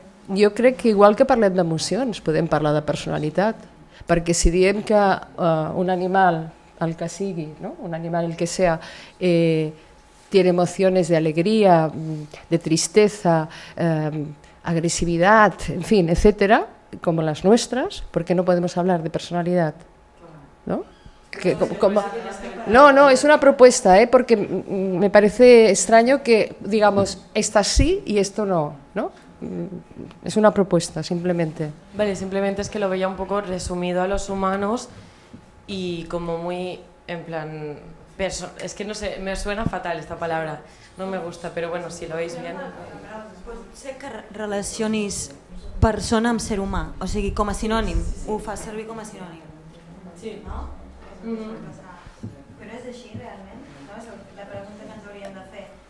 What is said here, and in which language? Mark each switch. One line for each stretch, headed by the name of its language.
Catalan: Jo crec que igual que parlem d'emocions, podem parlar de personalitat, perquè si diem que un animal, el que sigui, no?, un animal
Spanish: el que sea,
Catalan: té emocions d'alegria, de tristesa, agressivitat, en fi, etc., com les nostres, per què no podem parlar de personalitat? No?
Spanish: Que, como, no, es una propuesta, porque me parece extraño que digamos esta sí y esto no, ¿no? Es una propuesta, simplemente. Vale, simplemente es que lo veía un poco resumido a los humanos y como muy en plan es que no sé, me suena fatal esta palabra, no me gusta, pero bueno, si lo veis bien.
Catalan: Sé que relacionis persona amb ser humà, o sigui, com a sinònim, ho fa servir com a sinònim. Sí, no? Però és així realment? No? És la pregunta que ens hauríem de fer.